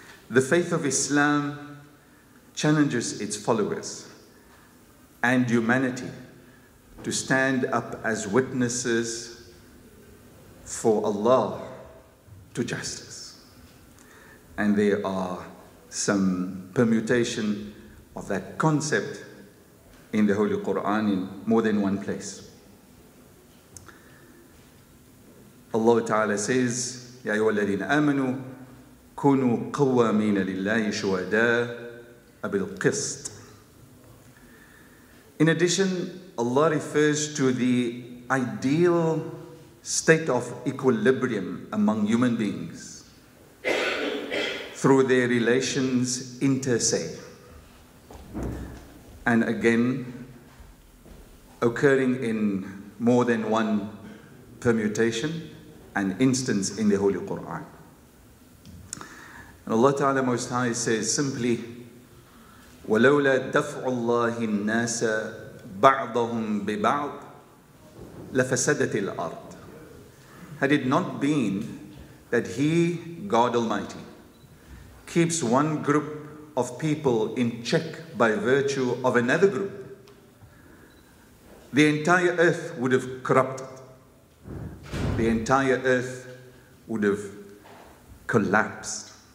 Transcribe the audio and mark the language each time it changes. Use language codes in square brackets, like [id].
[en] The faith of Islam challenges its followers and humanity to stand up as witnesses for Allah to justice. And there are some permutation of that concept in the Holy Quran in more than one place. Allah Ta'ala says, [ar] يَا أَيُّهَا الَّذِينَ آمَنُوا كُونُوا قَوَّامِينَ لِلَّهِ شُهَدَاءَ بِالْقِسْطِ. [en] In addition, Allah refers to the ideal state of equilibrium among human beings through their relations inter se, and again occurring in more than one permutation and instance in the Holy Quran. And Allah Ta'ala Most High says simply, [ar] وَلَوْلَا دَفْعُ اللَّهِ النَّاسَ بَعْضَهُمْ بِبَعْضِ لَفَسَدَتِ الْأَرْضِ. [en] Had it not been that He, God Almighty, keeps one group of people in check by virtue of another group, the entire earth would have corrupted. The entire earth would have collapsed.